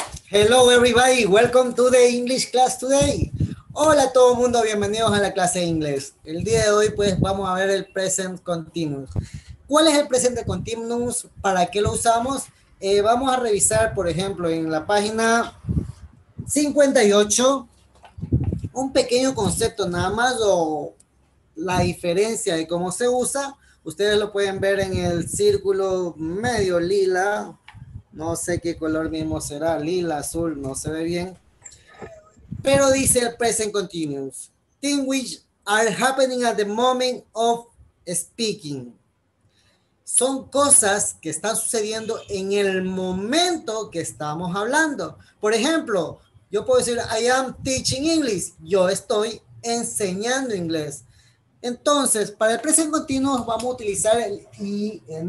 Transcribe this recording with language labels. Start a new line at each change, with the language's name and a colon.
English: Hello everybody, welcome to the English class today.
Spanish: Hola a todo el mundo, bienvenidos a la clase de inglés. El día de hoy pues vamos a ver el present continuous. ¿Cuál es el present continuous? ¿Para qué lo usamos? Vamos a revisar, por ejemplo, en la página 58, un pequeño concepto nada más o la diferencia de cómo se usa. Ustedes lo pueden ver en el círculo medio lila. No sé qué color mismo será, lila, azul, no se ve bien. Pero dice el present continuous.
English: Things which are happening at the moment of speaking.
Spanish: Son cosas que están sucediendo en el momento que estamos hablando. Por ejemplo, yo puedo decir,
English: I am teaching English.
Spanish: Yo estoy enseñando inglés. Entonces, para el present continuous vamos a utilizar el ing.